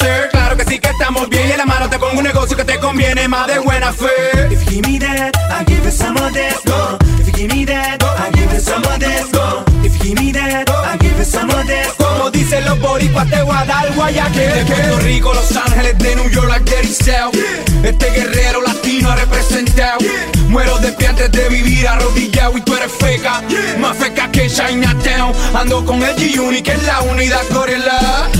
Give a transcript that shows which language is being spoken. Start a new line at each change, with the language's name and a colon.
Spanish: Claro que sí que estamos bien. Y en la mano te pongo un negocio que te conviene más de buena fe.
English: If you give me that, I'll give you some of this. Go. If you give me that, I'll give you some of this. Go. If you give me that, I'll give you some of this.
Spanish: Como dicen los boricuas, te voy a dar Guayaquil. De Puerto Rico, Los Ángeles, de New York, like Daddy South, yeah. Este guerrero latino ha representado, yeah. Muero de pie antes de vivir arrodillado. Y tú eres feca, yeah. Más feca que Chinatown. Ando con el G-Unit, que es la unidad gorila.